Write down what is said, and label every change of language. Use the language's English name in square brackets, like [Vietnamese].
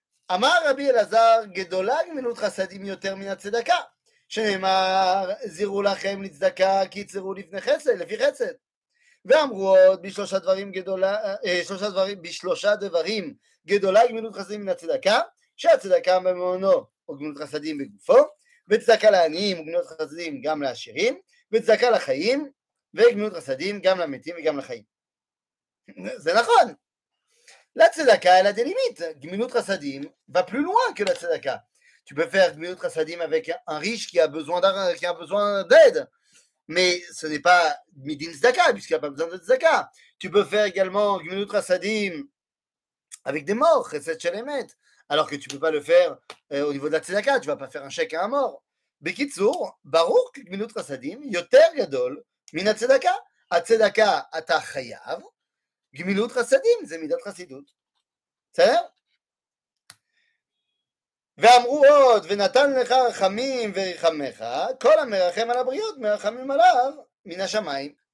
[Hebrew] אמר רבי אלעזר גדולה גמילות חסדים יותר מן הצדקה שנאמר זירו לכם לצדקה כי יצרו לפני חסד לפי חסד ואמרו עוד בשלושה דברים גדולה בשלושה דברים גדולה גמילות חסדים מן הצדקה שהצדקה במעונו וגמילות חסדים בגופו וצדקה לעניים וגמילות חסדים גם לעשירים וצדקה לחיים וגמילות חסדים גם למתים וגם לחיים זה נכון [French] La tzedaka, elle a des limites. Gmilut Chassadim va plus loin que la tzedaka. Tu peux faire Gmilut Chassadim avec un riche qui a besoin d'aide. Mais ce n'est pas Midin Tzedaka, puisqu'il n'y a pas besoin de tzedaka. Tu peux faire également Gmilut Chassadim avec des morts, Chesed Shel Emet. Alors que tu ne peux pas le faire au niveau de la tzedaka. Tu ne vas pas faire un chèque à un mort. [Hebrew] בקיצור, ברור גמילות חסדים יותר גדול מן הצדקה. הצדקה אתה חייב, גמילות חסדים זה מידת חסידות. בסדר? ואמרו עוד, ונתן לך רחמים וריחמך, כל המרחם על הבריות מרחמים עליו מן השמיים.